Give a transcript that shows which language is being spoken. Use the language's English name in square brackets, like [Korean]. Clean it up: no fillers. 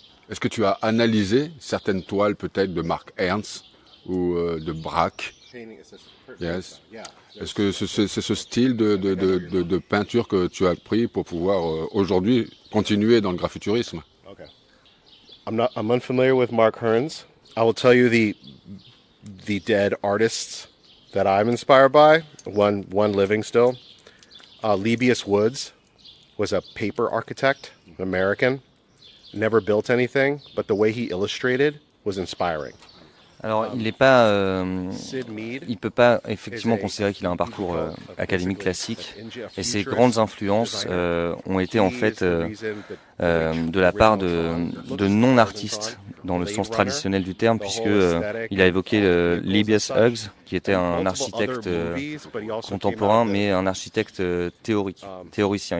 [French] Est-ce que tu as analysé certaines toiles, peut-être, de Marc Ernst ou de Braque? [English] Yes. [French] Est-ce que c'est ce style de peinture que tu as pris pour pouvoir aujourd'hui continuer dans le graffiturisme? [English] Okay. I'm unfamiliar with Marc Ernst. I will tell you the dead artists that I'm inspired by, one living still. Libius Woods was a paper architect, an American. Never built anything, but the way he illustrated was inspiring. [French] Alors, il n'est pas, il peut pas effectivement considérer qu'il a un parcours académique classique. Et ses grandes influences ont été en fait de la part de non-artistes dans le sens traditionnel du terme, puisque il a évoqué Libius Huggs, qui était un architecte contemporain, mais un architecte théoricien.